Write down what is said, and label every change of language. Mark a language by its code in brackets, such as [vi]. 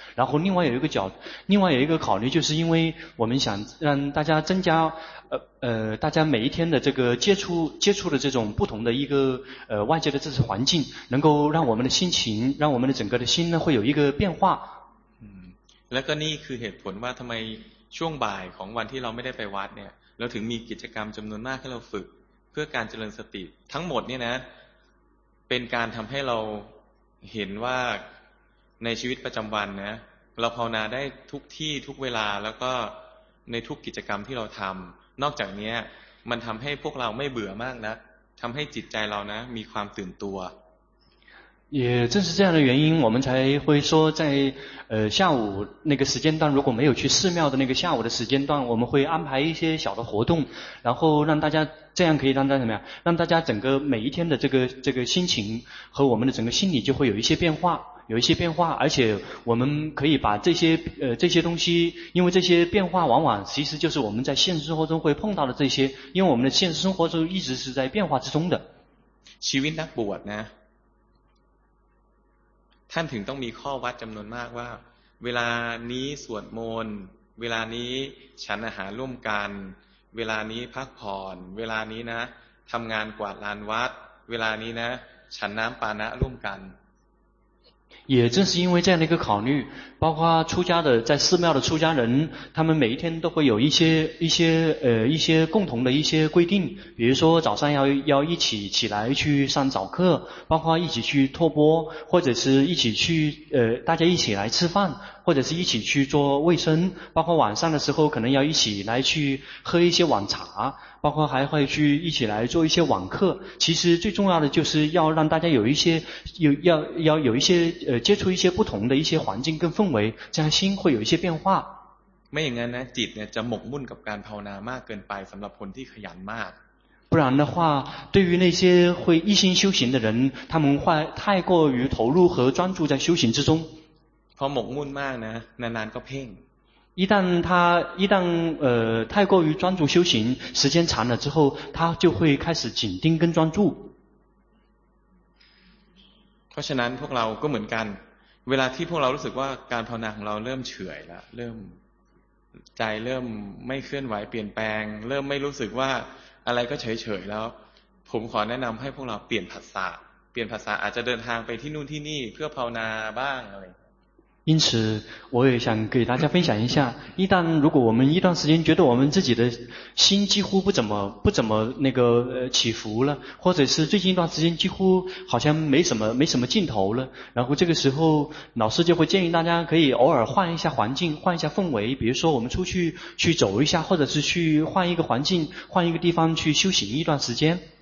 [zh] 然后另外有一个考虑，就是因为我们想让大家增加大家每一天的这个接触的这种不同的一个外界的这些环境，能够让我们的心情，让我们的整个的心呢会有一个变化。 [th] แล้วก็นี่คือเหตุผลว่าทำไมช่วงบ่ายของวันที่เราไม่ได้ไปวัดเนี่ยเราถึงมีกิจกรรมจำนวนมากให้เราฝึกเพื่อการเจริญสติทั้งหมดเนี่ยนะเป็นการทำให้เราเห็นว่าในชีวิตประจำวันนะเราภาวนาได้ทุกที่ทุกเวลาแล้วก็ในทุกกิจกรรมที่เราทำนอกจากนี้มันทำให้พวกเราไม่เบื่อมากนะทำให้จิตใจเรานะมีความตื่นตัว [zh] 也正是这样的原因，我们才会说在下午那个时间段，如果没有去寺庙的那个下午的时间段，我们会安排一些小的活动，然后让大家这样可以让大家怎么样，让大家整个每一天的这个心情和我们的整个心理就会有一些变化，而且我们可以把这些东西，因为这些变化往往其实就是我们在现实生活中会碰到的这些，因为我们的现实生活中一直是在变化之中的。 [th] ชีวิตนักบวชนะท่านถึงต้องมีข้อวัดจำนวนมากว่าเวลานี้สวดมนต์เวลานี้ฉันอาหารร่วมกันเวลานี้พักผ่อนเวลานี้นะทำงานกวาดลานวัดเวลานี้นะฉันน้ำปานะร่วมกัน [zh] 也正是因为这样的一个考虑，包括出家的在寺庙的出家人，他们每一天都会有一些共同的一些规定，比如说早上要一起起来去上早课，包括一起去托钵，或者是一起去大家一起来吃饭，或者是一起去做卫生，包括晚上的时候可能要一起来去喝一些晚茶，包括还会去一起来做一些网课。其实最重要的就是要让大家有一些有要要有一些接触一些不同的一些环境跟氛围，这样心会有一些变化。 [th] ไม่อย่างนั้นนะจิตเนี่ยจะหมกมุ่นกับการภาวนามากเกินไปสำหรับคนที่ขยันมาก。 [zh] 不然的话，对于那些会一心修行的人，他们会太过于投入和专注在修行之中。 [th] พอหมกมุ่นมากนะนานๆก็เพ่ง。 [zh] 一旦他一旦太过于专注修行，时间长了之后，他就会开始紧盯跟专注。 [th] เพราะฉะนั้นพวกเราก็เหมือนกันเวลาที่พวกเรารู้สึกว่าการภาวนาของเราเริ่มเฉื่อยละเริ่มใจเริ่มไม่เคลื่อนไหวเปลี่ยนแปลงเริ่มไม่รู้สึกว่าอะไรก็เฉยเฉยแล้วผมขอแนะนำให้พวกเราเปลี่ยนภาษาเปลี่ยนภาษาอาจจะเดินทางไปที่นู่นที่นี่เพื่อภาวนาบ้างอะไร [zh] 因此我也想给大家分享一下，一旦如果我们一段时间觉得我们自己的心几乎不怎么那个起伏了，或者是最近一段时间几乎好像没什么劲头了，然后这个时候老师就会建议大家可以偶尔换一下环境，换一下氛围，比如说我们出去去走一下，或者是去换一个环境，换一个地方去修行一段时间。